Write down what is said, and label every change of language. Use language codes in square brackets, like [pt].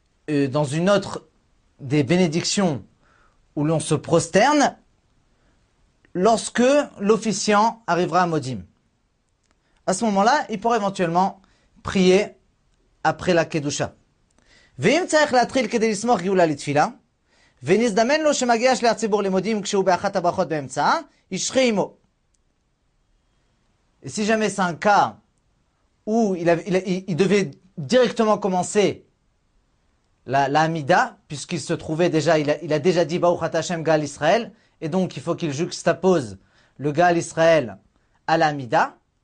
[fr] dans une autre des bénédictions où l'on se prosterne, lorsque l'officiant arrivera à Modim. À ce moment-là, il pourra éventuellement prier après la Kedusha. [he] ואם צריך להתחיל כדי לסמוך גאולה לתפילה, ונזדמן לו שמגיע שלי הציבור למודים כשהוא באחת הברכות באמצע, ישחי עמו. [fr] Et si jamais c'est un cas où il devait directement commencer la Amida, puisqu'il se trouvait déjà, il a déjà dit Baruch Atah Hashem Gaal Israël, et donc il faut qu'il juxtapose le Gaal Israël à la Amida.